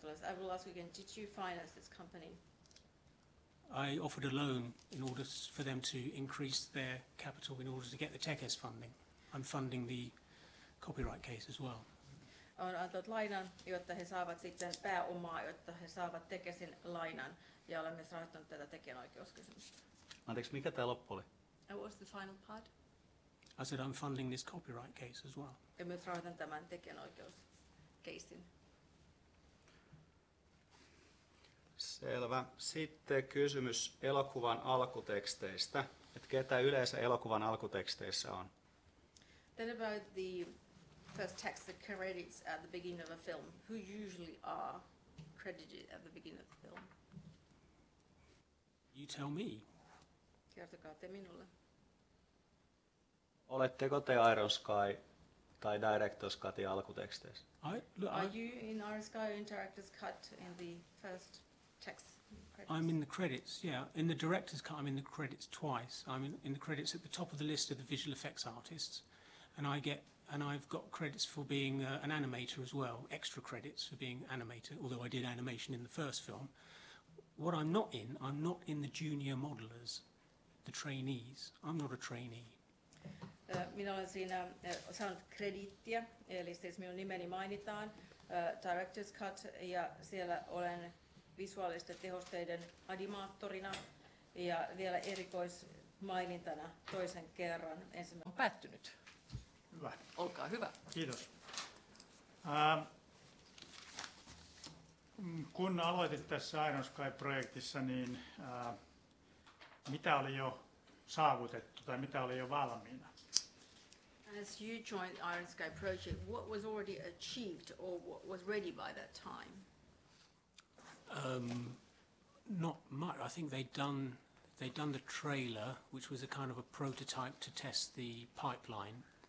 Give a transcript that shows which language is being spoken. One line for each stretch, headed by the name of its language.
English: I will ask again, did you finance this company? I offered a loan in order for them to increase their capital in order to get the TechEz funding. I'm funding the copyright case as well.
Finnish: on antanut lainan, jotta he saavat sitten pääomaa, jotta he saavat Tekesin lainan. Ja olen myös rahoittanut tätä tekijänoikeuskysymystä. Anteeksi, mikä tämä loppu oli?
English: And what's the final part? I said I'm funding this copyright case as well.
Finnish: Ja myös rahoitan tämän tekijänoikeuskeisin. Selvä. Sitten kysymys elokuvan alkuteksteistä. Että ketä yleensä elokuvan alkuteksteissä on?
English: Then about the first text, the credits at the beginning of a film. Who usually are credited at the beginning of the film? You tell me.
Finnish: Kertokaa te minulle. Oletteko te Iron Sky tai Director's Cutin alkuteksteissä?
English: Are you in Iron Sky or in Director's Cut in the first text? I'm in the credits, yeah. In the director's cut, I'm in the credits twice. I'm in the credits at the top of the list of the visual effects artists, and I've got credits for being an animator as well, extra credits for being animator, although I did animation in the first film. What I'm not in the junior modelers, the trainees. I'm not a trainee.
Finnish: Minä olen siinä saanut krediittiä, eli siis minun nimeni mainitaan, director's cut, ja siellä olen visuaalisten tehosteiden animaattorina ja vielä erikoismainintana toisen kerran. Ensimmäinen on päättynyt. Hyvä. Olkaa hyvä. Kiitos. Kun aloitit tässä Iron Sky-projektissa, niin mitä oli jo saavutettu tai mitä oli jo valmiina?
English: As you joined the Iron Sky project, what was already achieved or what was ready by that time? Not much. I think they'd done the trailer, which was a kind of a prototype to test the pipeline.